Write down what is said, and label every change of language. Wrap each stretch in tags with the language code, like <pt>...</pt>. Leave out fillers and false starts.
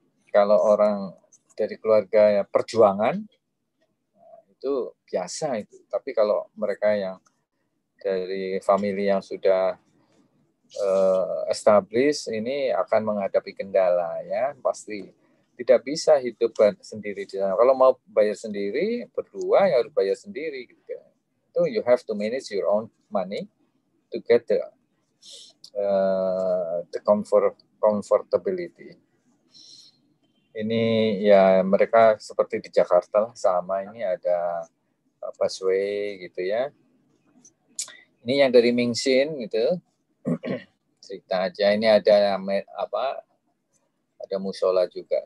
<id>kalau orang dari keluarga perjuangan itu biasa itu, tapi kalau mereka yang dari family yang sudah established ini akan menghadapi kendala ya, pasti tidak bisa hidup sendiri. Kalau mau bayar sendiri berdua ya harus bayar sendiri gitu. Itu</id> <en>you have to manage your own money to get the comfortability.</en> <id>Ini ya mereka seperti di Jakarta lah, sama ini ada busway gitu ya. Ini yang dari Mingxin gitu. Cerita aja ini ada apa? Ada musola juga.</id>